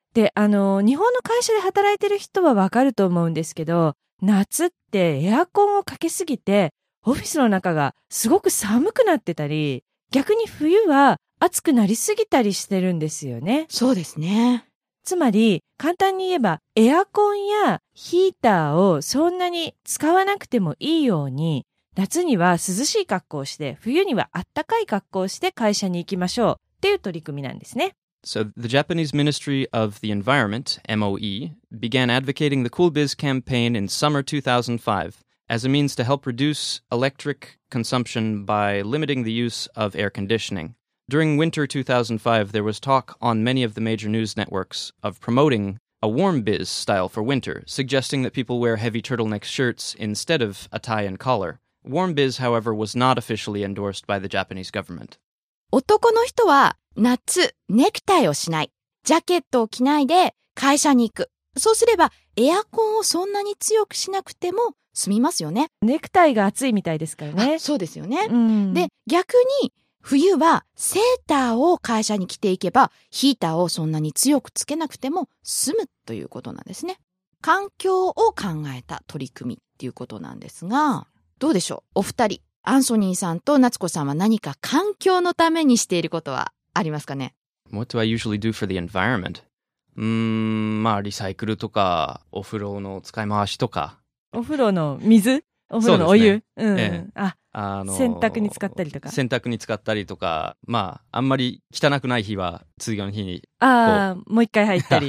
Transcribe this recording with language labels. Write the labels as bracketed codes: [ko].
[ja] で、日本の会社で働いてる人はわかると思うんですけど、夏ってエアコンをかけすぎて、オフィスの中がすごく寒くなってたり、逆に冬は暑くなりすぎたりしてるんですよね。そうですね。つまり、簡単に言えば、エアコンやヒーターをそんなに使わなくてもいいように、夏には涼しい格好をして、冬にはあったかい格好をして会社に行きましょうっていう取り組みなんですね。 [en] So the Japanese Ministry of the Environment, MOE, began advocating the Cool Biz campaign in summer 2005 as a means to help reduce electric consumption by limiting the use of air conditioning. During winter 2005, there was talk on many of the major news networks of promoting a warm biz style for winter, suggesting that people wear heavy turtleneck shirts instead of a tie and collar. Warm biz, however, was not officially endorsed by the Japanese government. [ja] 男の人は夏、ネクタイをしない。ジャケットを着ないで会社に行く。そうすれば、エアコンをそんなに強くしなくても済みますよね。ネクタイが暑いみたいですからね。そうですよね。うん、で、逆に、冬はセーターを会社に着ていけば、ヒーターをそんなに強くつけなくても済むということなんですね。環境を考えた取り組みっていうことなんですが、どうでしょう？お二人、アンソニーさんと夏子さんは何か環境のためにしていることはありますかね。 [en] What do I usually do for the environment? [ja] まあリサイクルとかお風呂の使い回しとか。お風呂の水？お風呂のお湯？そうですね。洗濯に使ったりとか。洗濯に使ったりとか、まああんまり汚くない日は通常の日に。ああ、もう一回入ったり。